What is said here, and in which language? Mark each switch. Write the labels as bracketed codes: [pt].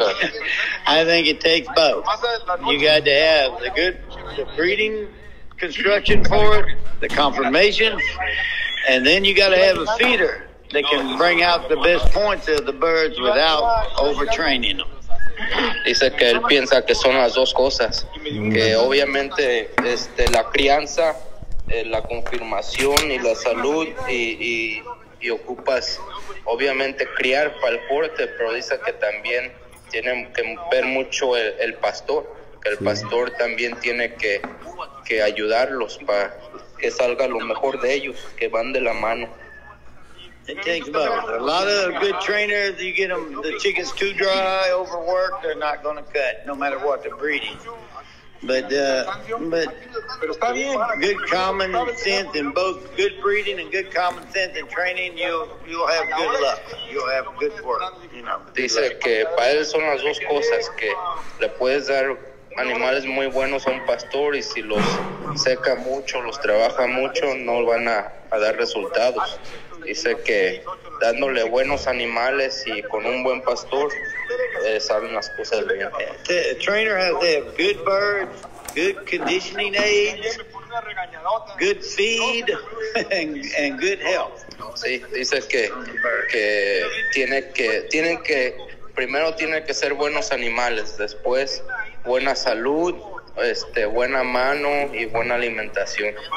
[en] I think it takes both. You got to have the breeding construction for it, the confirmation, and then you got to have a feeder that can bring out the best points of the birds without overtraining them. [es] Dice que él piensa que son las dos cosas, que obviamente la crianza, la confirmación y la salud, y ocupas obviamente criar para el corte, pero dice que también tiene que ver mucho el pastor, que el pastor también tiene que ayudarlos para que salga lo mejor de ellos, que van de la mano. [en] It takes both. A lot of good trainers, you get them, the chickens too dry, overworked, they're not going to cut, no matter what, the breeding. But good common sense in both good breeding and good common sense in training, you'll have good luck. You'll have good work, you know. [es] Dice que para él son las dos cosas, que le puedes dar animales muy buenos a un pastor, y si los seca mucho, los trabaja mucho, no van a dar resultados. Dice que dándole buenos animales y con un buen pastor, salen las cosas bien. [en] The trainer has to have good birds, good conditioning aids, good feed, and good health. [es] Sí, dice que primero tiene que ser buenos animales, después buena salud, buena mano y buena alimentación.